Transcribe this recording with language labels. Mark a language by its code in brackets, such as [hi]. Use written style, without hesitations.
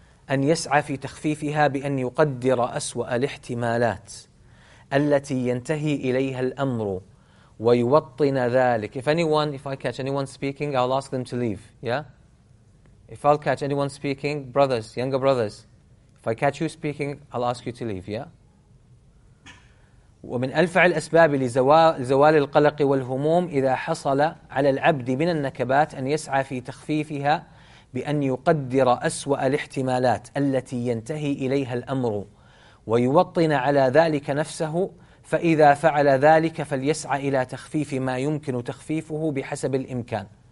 [ar] أن يسعى في تخفيفها بأن يقدر أسوأ الاحتمالات التي ينتهي إليها الأمر ويوطن ذلك. [en] If anyone, if I catch anyone speaking, I'll ask them to leave. Yeah. If I'll catch anyone speaking, brothers, younger brothers, if I catch you speaking, I'll ask you to leave. Yeah. [ar] ومن ألفع الأسباب لزوال القلق والهموم إذا حصل على العبد من النكبات أن يسعى في تخفيفها بأن يقدر أسوأ الاحتمالات التي ينتهي إليها الأمر ويوطن على ذلك نفسه فإذا فعل ذلك فليسعى إلى تخفيف ما يمكن تخفيفه بحسب الإمكان.